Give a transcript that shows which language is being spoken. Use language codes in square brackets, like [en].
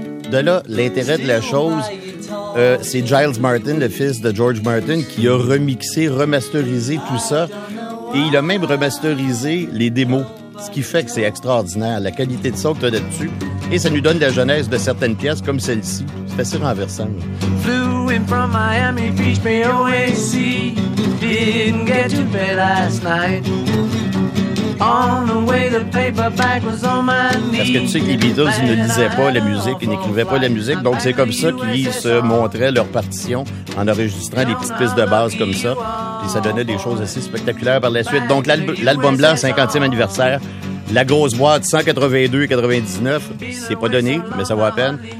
[fr] De là, l'intérêt de la chose... c'est Giles Martin, le fils de George Martin, qui a remixé, remasterisé tout ça. Et il a même remasterisé les démos. Ce qui fait que c'est extraordinaire, la qualité de son que tu as là-dessus. Et ça nous donne la genèse de certaines pièces, comme celle-ci. C'est assez renversant. [en] Flew in from Miami Beach, B-O-A-C. Didn't get to bed last night. On the way, the paperback was on my knee. [fr] Parce que tu sais que les Beatles ne lisaient pas la musique, ils n'écrivaient pas la musique, donc c'est comme ça qu'ils se montraient leur partition en enregistrant des petites pistes de base comme ça. Puis ça donnait des choses assez spectaculaires par la suite. Donc l'album blanc, 50e anniversaire, la grosse boîte, 182,99, c'est pas donné, mais ça vaut à peine.